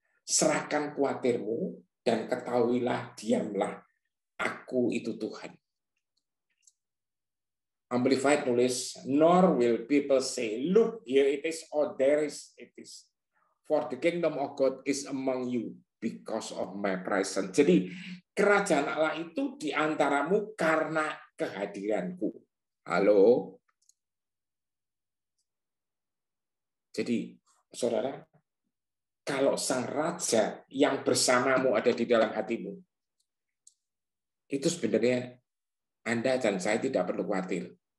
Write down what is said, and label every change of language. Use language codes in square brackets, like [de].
[id] Serahkan khawatirmu dan ketahuilah, diamlah, aku itu Tuhan. [en] Amplified nulis, nor will people say, look here it is or there is it is. For the kingdom of God is among you because of my presence. [id] Jadi kerajaan Allah itu di antaramu karena kehadiranku. Halo? Jadi, saudara, kalau sang raja yang bersamamu ada di dalam hatimu, itu sebenarnya Anda dan saya tidak perlu khawatir.